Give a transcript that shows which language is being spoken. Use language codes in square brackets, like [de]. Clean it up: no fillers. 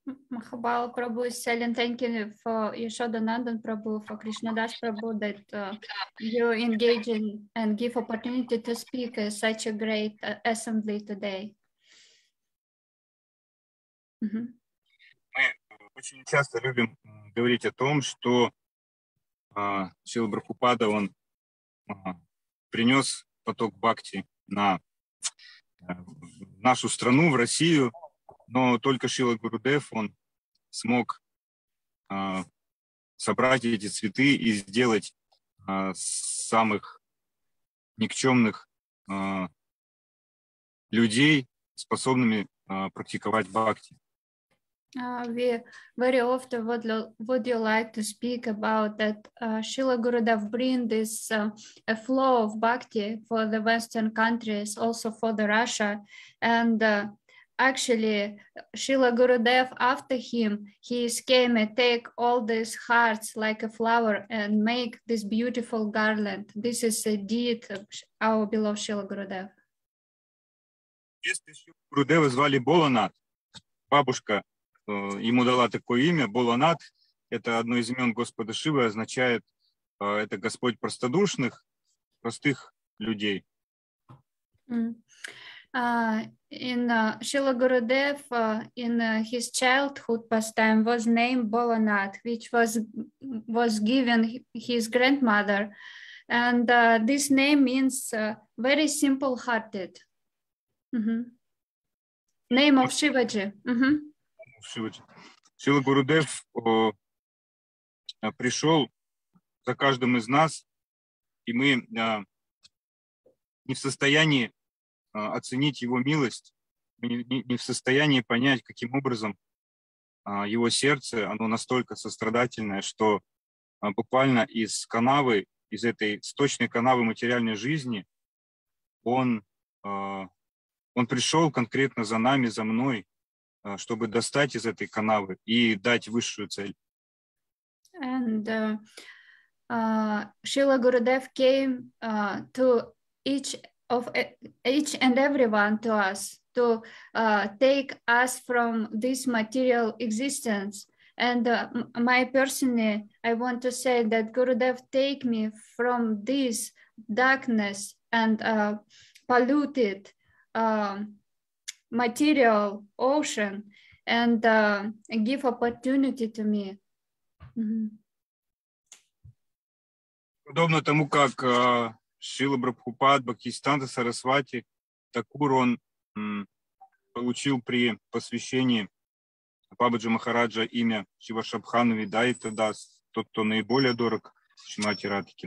[en] Mahabala Prabhu is saying thank you for Yashodhanandan Prabhu, for Krishna Das Prabhu, that you engage in and give opportunity to speak at such a great assembly today. [ru] Мы очень часто любим говорить о том, что Шрила Прабхупада, он принес поток бхакти на нашу страну, в Россию, но только Шрила Гурудев, он смог собрать эти цветы и сделать самых никчемных людей, способными практиковать бхакти. [en] We very often would you like to speak about that Srila Gurudev bring this a flow of bhakti for the Western countries, also for the Russia. And actually, Srila Gurudev, after him, he came and take all these hearts like a flower and make this beautiful garland. This is a deed of our beloved Srila Gurudev. Yes, Srila Gurudev is called Bolanat, [ru] бабушка. Ему дала такое имя Боланат. Это одно из имен Господа Шивы, означает это Господь простодушных, простых людей. [en] In Srila Gurudev, in his childhood pastime, was named Bolanat, which was given his grandmother, and this name means very simple-hearted. Mm-hmm. Name of Shivaji. Mm-hmm. [ru] Шрила Гурудев пришел за каждым из нас, и мы не в состоянии оценить его милость, мы не в состоянии понять, каким образом его сердце, оно настолько сострадательное, что буквально из канавы, из этой сточной канавы материальной жизни, он пришел конкретно за нами, за мной, чтобы достать из этой канавы и дать высшую цель. [en] And Srila Gurudev came to each and everyone to us to take us from this material existence. And my personally, I want to say that Gurudev take me from this darkness and polluted material ocean and give opportunity to me. [ru] Подобно тому, как Шрила Прабхупад Бхактисиддханта Сарасвати Такур он получил при посвящении Бабаджи Махараджа имя Шивашабхану Видайта Дас, тот, кто наиболее дорог Шримати Радхике.